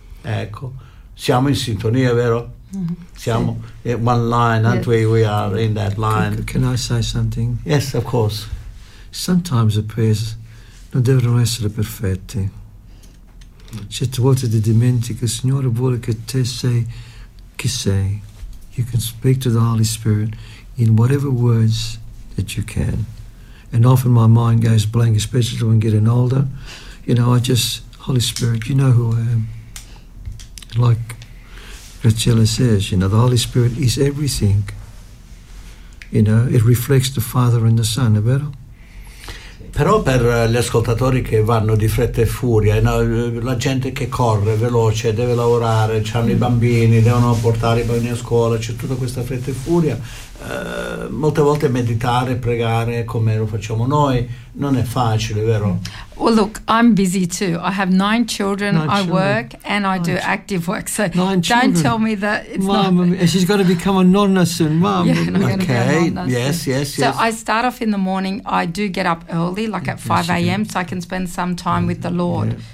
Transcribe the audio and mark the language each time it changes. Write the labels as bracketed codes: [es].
[it] Ecco, siamo in sintonia, vero? Mm-hmm. Siamo in [en] one line, aren't we? We are in that line. Can I say something? Yes, of course. Sometimes the prayers [it] non devono essere perfette. Certe volte ti dimentichi, il Signore vuole che te sei chi sei. [en] You can speak to the Holy Spirit in whatever words that you can. And often my mind goes blank, especially when getting older. You know, I just, Holy Spirit, you know who I am. Like Graciela says, you know, the Holy Spirit is everything. You know, it reflects the Father and the Son, [it] è vero? Però per gli ascoltatori che vanno di fretta e furia, no, la gente che corre veloce, deve lavorare, hanno i bambini, devono portare i bambini a scuola, c'è tutta questa fretta e furia, molte volte meditare, pregare come lo facciamo noi, non è facile, vero? [en] Well, look, I'm busy too. I have 9 children, I work, and I do active work. So don't tell me that it's Mama, not... she's going to become a nonna soon, Mom. Yeah, okay, yes. So I start off in the morning. I do get up early, like at 5 a.m., so I can spend some time with the Lord. Yeah.